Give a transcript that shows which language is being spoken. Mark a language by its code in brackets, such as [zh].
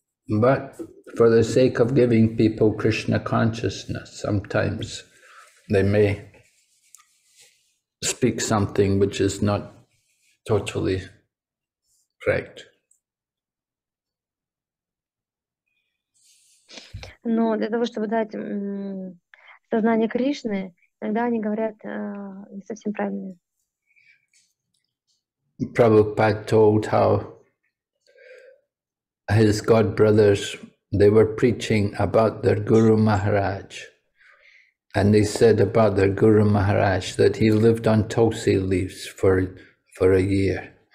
[en] But for the sake of giving people Krishna consciousness, sometimes they may speak something which is not totally correct. [ru] Но для того, чтобы дать сознание Кришны, иногда они говорят не совсем правильно. [en] Prabhupada told how his godbrothers, they were preaching about their Guru Maharaj, and they said about their Guru Maharaj that he lived on tulsi leaves for a year.